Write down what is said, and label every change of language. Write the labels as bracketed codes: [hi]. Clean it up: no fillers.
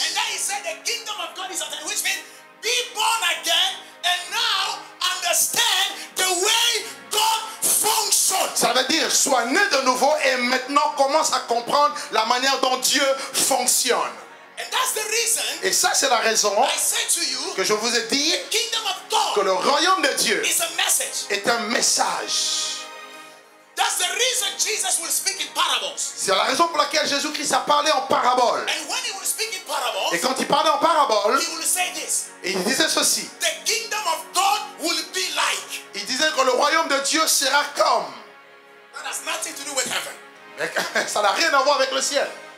[en] And then he said, the kingdom of God is at hand, which means be born again and now understand the way God functions. [fr] Ça veut dire sois né de nouveau et maintenant commence à comprendre la manière dont Dieu fonctionne. [en] And that's the reason. [fr] Et ça c'est la raison que je vous ai dit que le royaume de Dieu est un message. [en] That's the reason Jesus will speak in parables. [fr] C'est la raison pour laquelle Jésus-Christ a parlé en parabole. [en] And when he will speak in parables, [fr] et quand il parlait en parabole, [en] he will say this. [fr] Il disait ceci. [en] The kingdom of God will be like. [fr] Il disait que le royaume de Dieu sera comme. [en] That has nothing to do with heaven. [fr] Mais, ça n'a rien à voir avec le ciel.